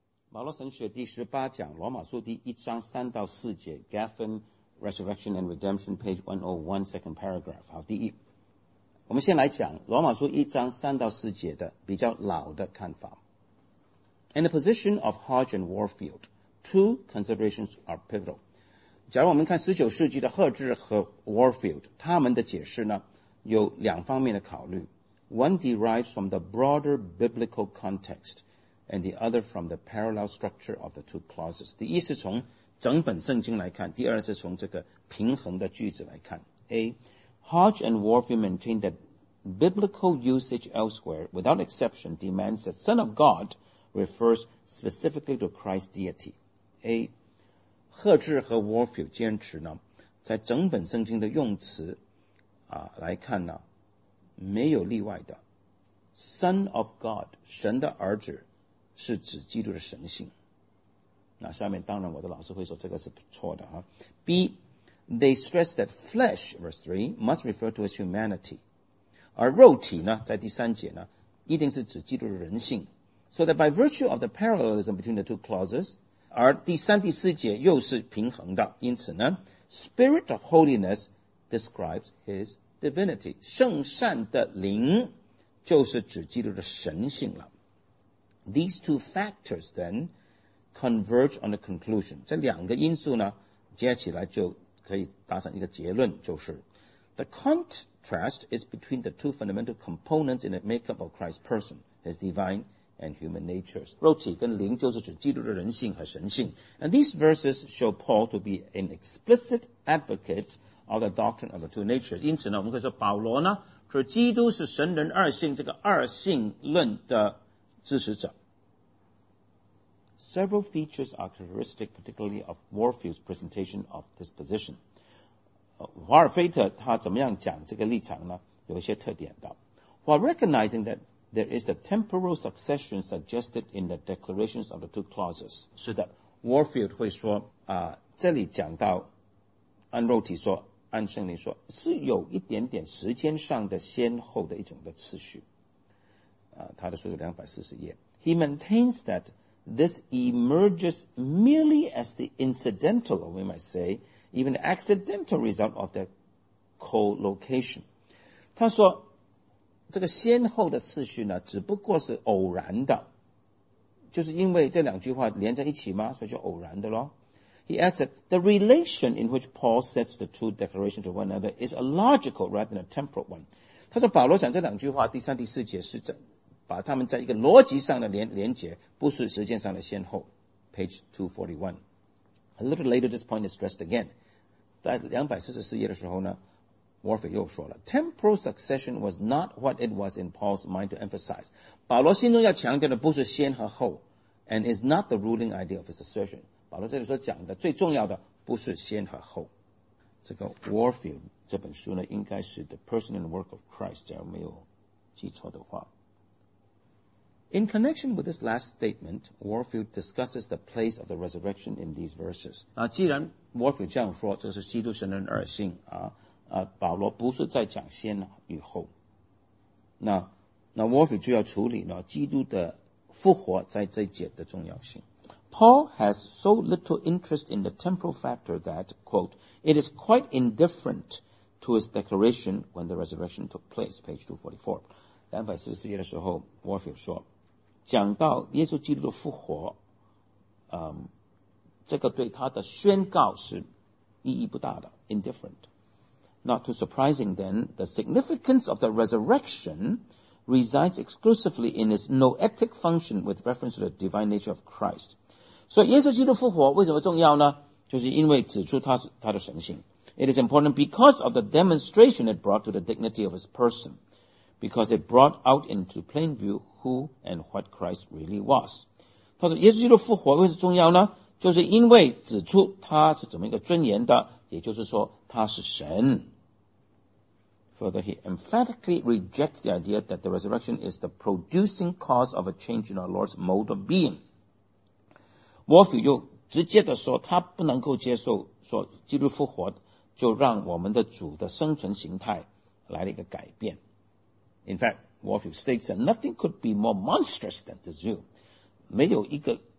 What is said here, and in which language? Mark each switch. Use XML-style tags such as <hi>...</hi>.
<zh>保罗神学第十八讲，罗马书第一章三到四节 ，</zh> <en>Gaffin Resurrection and Redemption, page 101, second paragraph。</en> <zh>好，第一，我们先来讲罗马书一章三到四节的比较老的看法。</zh> <en>In the position of Hodge and Warfield, two considerations are pivotal。</en> <zh>假如我们看十九世纪的赫治和 Warfield， 他们的解释呢，有两方面的考虑。</zh> <en>One derives from the broader biblical context。 And the other from the parallel structure of the two clauses.</en> <zh>第一是从整本圣经来看，第二是从这个平衡的句子来看。</zh> <en>A, Hodge and Warfield maintain that biblical usage elsewhere, without exception, demands that Son of God refers specifically to Christ's deity.</en> <zh>A, 赫治和 Warfield 坚持呢，在整本圣经的用词啊来看呢，没有例外的。</zh> <en>Son of God,</en> <zh>神的儿子。是指基督的神性。那下面当然我的老师会说这个是错的哈。</zh> <en>B, they stress that flesh, verse 3, must refer to his humanity.</en> <zh>而肉体呢在第三节呢一定是指基督的人性。</zh> <en>So that by virtue of the parallelism between the two clauses,</en> <zh>而第三第四节又是平衡的。因此呢 ,spirit of holiness describes his divinity. 圣善的灵就是指基督的神性了。</zh> <en>These two factors then converge on the conclusion.</en> <zh>这两个因素呢接起来就可以达成一个结论，就是</zh> <en>The contrast is between the two fundamental components in the makeup of Christ's person, his divine and human natures.</en> <zh>肉体跟灵就是指基督的人性和神性。</zh> <en>And these verses show Paul to be an explicit advocate of the doctrine of the two natures.</en> <zh>因此呢我们可以说保罗呢说基督是神人二性，这个二性论的支持者。</zh> <en>Several features are characteristic, particularly of Warfield's presentation of this position.</en> <zh>华尔菲特他怎么样讲这个立场呢？有一些特点的。</zh> <en>While recognizing that there is a temporal succession suggested in the declarations of the two clauses,</en> <zh>是的 ，Warfield 会说啊，这里讲到按肉体说，按圣灵说，是有一点点时间上的先后的一种的次序。他的书有240页。</zh> <en>He maintains that this emerges merely as the incidental, or we might say, even the accidental result of the collocation.</en> <zh>他说，这个先后的次序呢，只不过是偶然的，就是因为这两句话连在一起嘛，所以就偶然的咯。</zh> <en>He adds that the relation in which Paul sets the two declarations to one another is a logical rather than a temporal one.</en> <zh>他说，保罗讲这两句话，第三、第四节是这把他们在一个逻辑上的 连结不是时间上的先后 page 241</zh> <en>A little later this point is stressed again</en> <zh>在244页的时候呢 Warfield 又说了</zh> <en>Temporal succession was not what it was in Paul's mind to emphasize</en> <zh>保罗心中要强调的不是先和后</zh> <en>And is not the ruling idea of his assertion</en> <zh>保罗这里所讲的最重要的不是先和后这个 Warfield 这本书呢应该是</zh> <en>The Person and Work of Christ</en> <zh>假如没有记错的话</zh> <en>In connection with this last statement, Warfield discusses the place of the resurrection in these verses.</en> <zh>那既然 Warfield 这样说，这是基督神人二性啊，保罗不是在讲先与后。那 Warfield 就要处理呢基督的复活在这节的重要性。</zh> <en>Paul has so little interest in the temporal factor that, quote, it is quite indifferent to his declaration when the resurrection took place, page 244.</en> <zh>244页的时候 Warfield 说讲到耶稣基督的复活、这个对他的宣告是意义不大的 indifferent</zh> <en>Not too surprising then the significance of the resurrection resides exclusively in its noetic function with reference to the divine nature of Christ</en> <zh>所以耶稣基督复活为什么重要呢就是因为指出 他的神性</zh> <en>It is important because of the demonstration it brought to the dignity of his personBecause it brought out into plain view who and what Christ really was.</en> <zh>他说耶稣基督复活为什么是重要呢就是因为指出他是怎么一个尊严的也就是说他是神。</zh> <en>Further, he emphatically rejects the idea that the resurrection is the producing cause of a change in our Lord's mode of being.</en> <zh>Warfield 又直接地说他不能够接受说基督复活就让我们的主的生存形态来了一个改变。</zh> <en>In fact, Warfield states that nothing could be more monstrous than this view.</en> <zh>没有一个</zh>